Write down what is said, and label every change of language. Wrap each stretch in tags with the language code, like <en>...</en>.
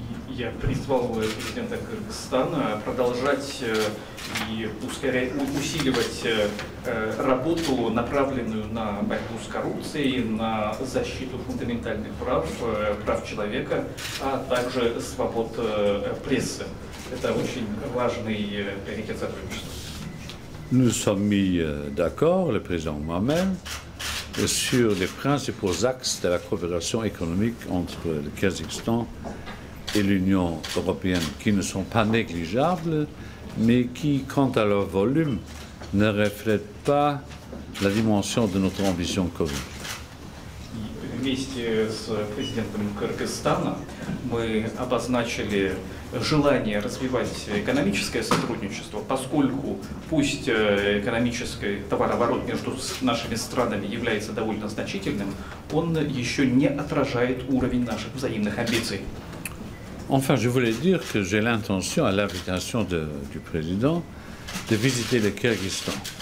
<ru>Я призвал президента Кыргызстана продолжать и усиливать работу, направленную на борьбу с коррупцией, на защиту фундаментальных прав, прав человека, а также свобод прессы. Это очень важный приоритет сотрудничества.</ru> <fr>Nous sommes mis d'accord, le président moi-même, sur les principaux axes de la coopération économique entre le Kazakhstan et l'Union européenne, qui ne sont pas négligeables, mais qui, quant à leur volume, ne reflètent pas la dimension de notre ambition commune.</fr> <ru>Вместе с президентом Кыргызстана мы обозначили желание развивать экономическое сотрудничество, поскольку пусть экономический товарооборот между нашими странами является довольно значительным, он еще не отражает уровень наших взаимных амбиций.</ru> <fr>Enfin, je voulais dire que j'ai l'intention, à l'invitation du président, de visiter le Kyrgyzstan.</fr>